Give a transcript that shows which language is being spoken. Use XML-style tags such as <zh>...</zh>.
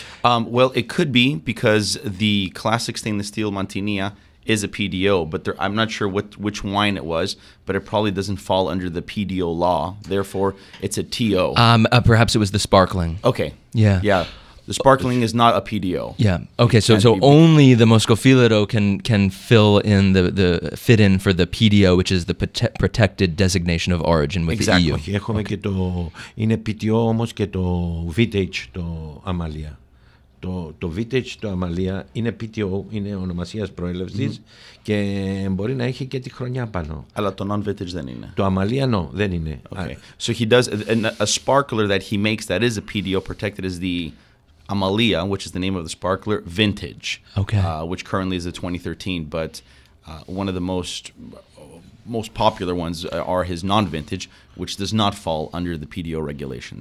<en>Well, it could be, because the classic stainless steel Montaigne is a PDO, but I'm not sure which wine it was, but it probably doesn't fall under the PDO law. Therefore, it's a TO. Perhaps it was the sparkling. Okay. Yeah. Yeah. The sparkling is not a PDO. Yeah. Okay. So only the Moscofilero can fit in for the PDO, which is the protected designation of origin with exactly. The EU. Exactly.</en> <el>Έχουμε και το είναι PDO όμως και το vintage το Αμαλία. Το Vintage, το Αμαλία, είναι PTO, είναι ονομασίας προέλευσης και μπορεί να έχει και τη χρονιά πάνω. Αλλά το Non-Vintage δεν είναι. Το Αμαλία, no, δεν είναι.</el> <en>Okay. So he does, a sparkler that he makes that is a PTO protected is the Αμαλία, which is the name of the sparkler, Vintage, okay. Which currently is a 2013, but one of the most popular ones are his non-vintage, which does not fall under the PDO regulation.</en>